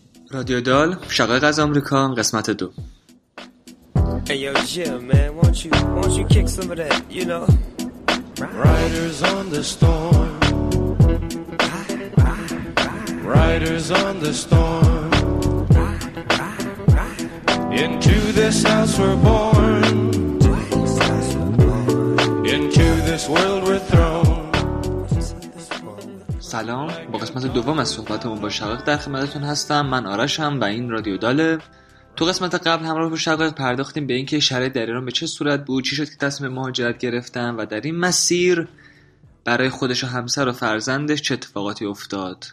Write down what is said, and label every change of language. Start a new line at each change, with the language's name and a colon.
Persian: رادیو دال شقایق از آمریکا قسمت 2.
English: Hey yo, Jim, man, won't you kick some of that, you know? Riders on the storm. Riders on the storm. Into this house we're born. Into this world we're thrown.
Persian: سلام، با قسمت دوم از صحبتمون با شقایق در خدمتتون هستم. من آرشم و این رادیو داله. تو قسمت قبل همراه با شقایق پرداختیم به اینکه شرایط در ایران به چه صورت بود، چی شد که تصمیم مهاجرت گرفتن و در این مسیر برای خودش و همسر و فرزندش چه اتفاقاتی افتاد.